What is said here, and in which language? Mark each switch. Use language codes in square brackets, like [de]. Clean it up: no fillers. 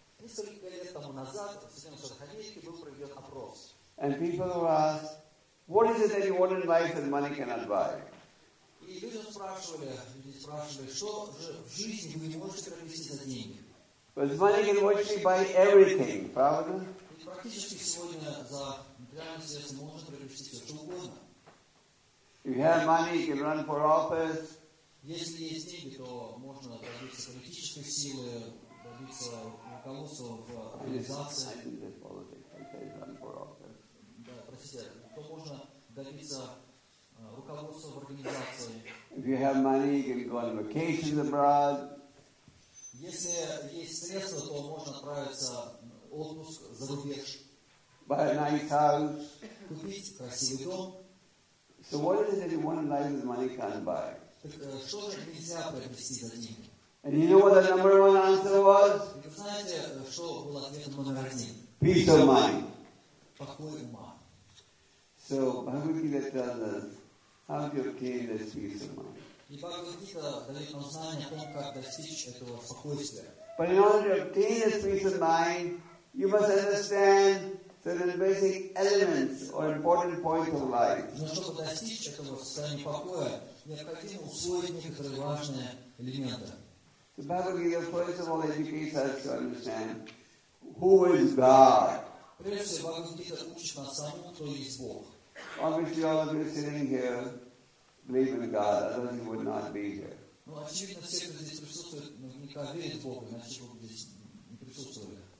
[ru] Несколько лет тому назад в Соединенных Штатах был проведен опрос. [en] And people were asked, what is it that you want in life that money cannot buy? [ru] И люди спрашивали, что же в жизни вы не можете приобрести за деньги? [en] Because money can actually buy everything, [ru] правда? И практически сегодня за материальные средства можно приобрести все, что угодно. [en] If you have money, you can run for office. [ru] Если есть деньги, то можно добиться политической силы, добиться руководства в организации. [en] I didn't say politics, I said run for office. [ru] Да, простите, то можно добиться руководства в организации. [en] If you have money, you can go on vacations abroad. [ru] Если есть средства, то можно отправиться в отпуск за рубеж. [en] Buy a nice house. [ru] Купить красивый дом. [en] So what is it that one life with money can't buy? [ru] Что же нельзя приобрести за деньги? [en] And you know what the number one answer was? [ru] Вы знаете, что был ответ номер один? [en] Peace of mind. [ru] Покой ума. [en] So Bhagavad-gita tells us how to obtain this peace of mind. [ru] И Бхагавад-гита дает нам знание о том, как достичь этого спокойствия. [en] But in order to obtain this peace of mind, you must understand certain basic elements or important points of life. [ru] Но чтобы достичь этого состояния покоя, необходимо усвоить некоторые важные элементы. [en] The Bhagavad-gita first of all educates us to understand who is God. [ru] Прежде всего, Бхагавад-гита учит нас тому, кто есть Бог. [en] Obviously, all of you sitting here believe in God, otherwise you would not be here. [ru] Ну, очевидно, все, кто здесь присутствует, наверняка верит в Бога, иначе бы здесь не присутствовали.